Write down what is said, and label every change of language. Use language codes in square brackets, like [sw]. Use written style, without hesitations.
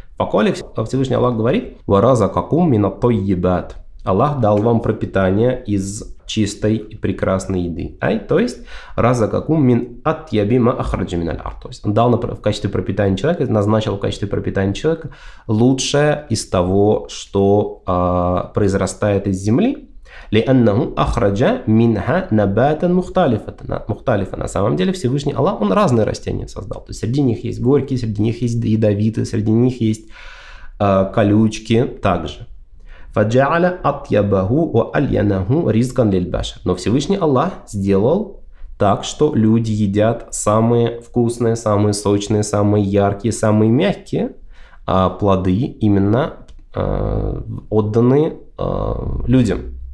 [ru] Поколе Всевышний Аллах говорит, [ar] вараза какум мина тойебат, [ru] Аллах дал вам пропитание из чистой и прекрасной еды. Ай, то есть, [ar] раза какум мин атьябима ахраджи мин аль-ард, [ru] то есть он дал в качестве пропитания человека, назначил в качестве пропитания человека лучшее из того, что произрастает из земли. [ar] لِأَنَّهُ أَخْرَجَ مِنْهَا نَبَاتًا مُخْتَلِفًا. [ru] На самом деле Всевышний Аллах, Он разные растения создал. То есть среди них есть горькие, среди них есть ядовитые, среди них есть колючки также. [ar] فَجَعَلَ أَطْيَبَهُ وَأَلْيَنَهُ رِزْقًا لِلْبَشَرِ. [ru] Но Всевышний Аллах сделал так, что люди едят самые вкусные, самые сочные, самые яркие, самые мягкие плоды, именно отданные людям.